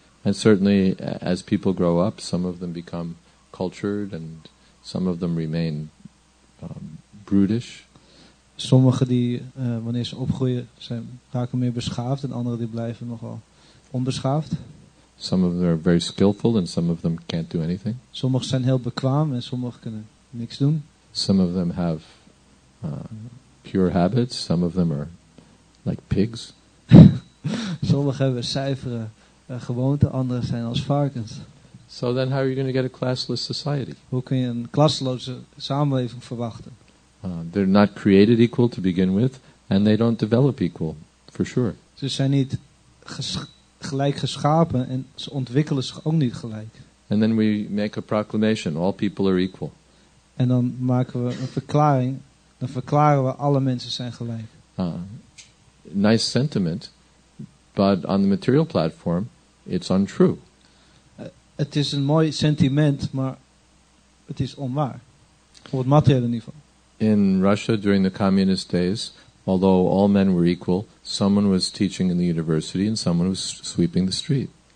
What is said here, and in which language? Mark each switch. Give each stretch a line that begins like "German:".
English: And certainly, as people grow up, some of them become cultured and some of them remain brutish.
Dutch: Sommigen die wanneer ze opgroeien zijn raken meer beschaafd en anderen die blijven nogal onbeschaafd.
English: Some of them are very skillful and some of them can't do anything.
Dutch: Sommigen zijn heel bekwaam en sommigen kunnen niks doen.
English: Some of them have pure habits, some of them are like pigs.
Dutch: Sommigen hebben zuivere gewoonten, anderen zijn als varkens.
English: So then how are you going to get a classless society?
Dutch: Hoe kun je een klasseloze samenleving verwachten?
English: They're not created equal to begin with, and they don't develop equal, for sure.
Dutch: Ze zijn niet gelijk geschapen en ze ontwikkelen zich ook niet gelijk.
English: And then we make a proclamation, all people are equal.
Dutch: En dan maken we een verklaring, dan verklaren we alle mensen zijn gelijk.
English: Nice sentiment, but on the material platform, it's untrue.
Dutch: Het is een mooi sentiment, maar het is onwaar, op het materiële niveau.
English: In Russia during the communist days, although all men were equal, someone was teaching in the university and someone was sweeping the street.